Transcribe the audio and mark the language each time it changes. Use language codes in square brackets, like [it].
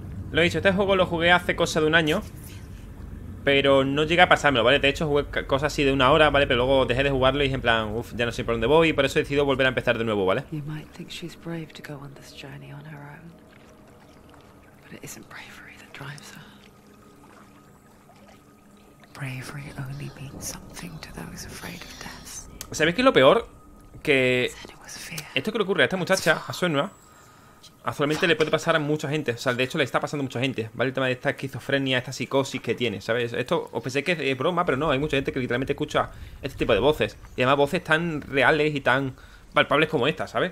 [es] Lo he dicho, este juego lo jugué hace cosa de un año. Pero no llegué a pasármelo, ¿vale? De hecho, jugué cosas así de una hora, ¿vale? Pero luego dejé de jugarlo y dije en plan, uff, ya no sé por dónde voy. Y por eso he decidido volver a empezar de nuevo, ¿vale? [en] You might think she's brave to go on this journey on her own. But it isn't bravery that drives her. Bravery only means something to those afraid of death. [es] ¿Sabéis qué es lo peor? Que esto que le ocurre a esta muchacha, a Senua, Actualmente le puede pasar a mucha gente. O sea, de hecho le está pasando a mucha gente, ¿vale? El tema de esta esquizofrenia, esta psicosis que tiene, ¿sabes? Esto, os pensé que es broma, pero no. Hay mucha gente que literalmente escucha este tipo de voces. Y además voces tan reales y tan palpables como esta, ¿sabes?